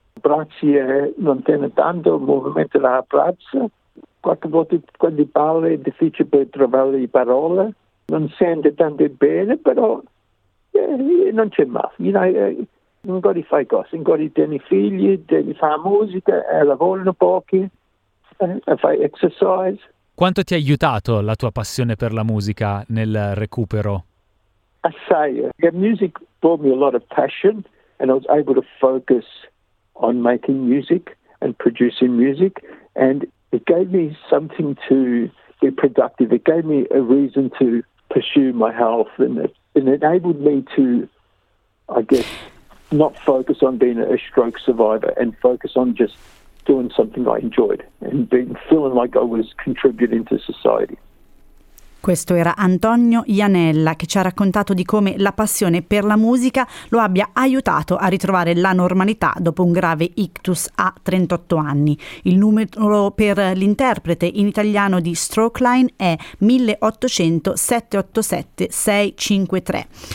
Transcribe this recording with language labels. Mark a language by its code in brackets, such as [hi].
[it] Braccia non tiene tanto il movimento della braccia, qualche volta quando parli è difficile per trovare le parole, non sente tanto bene, però non c'è male. [en] You know, [it] ancora fai cose, ancora tieni figli, devi fare musica, lavorano pochi, fai exercise. Quanto ti ha aiutato la tua passione per la musica nel recupero? Assai. [en] The music brought me a lot of passion and I was able to focus on making music and producing music, and it gave me something to be productive. It gave me a reason to pursue my health, and it enabled me to, I guess, not focus on being a stroke survivor and focus on just doing something I enjoyed and feeling like I was contributing to society. [it] Questo era Antonio Janella che ci ha raccontato di come la passione per la musica lo abbia aiutato a ritrovare la normalità dopo un grave ictus a 38 anni. Il numero per l'interprete in italiano di StrokeLine è 1800 787 653.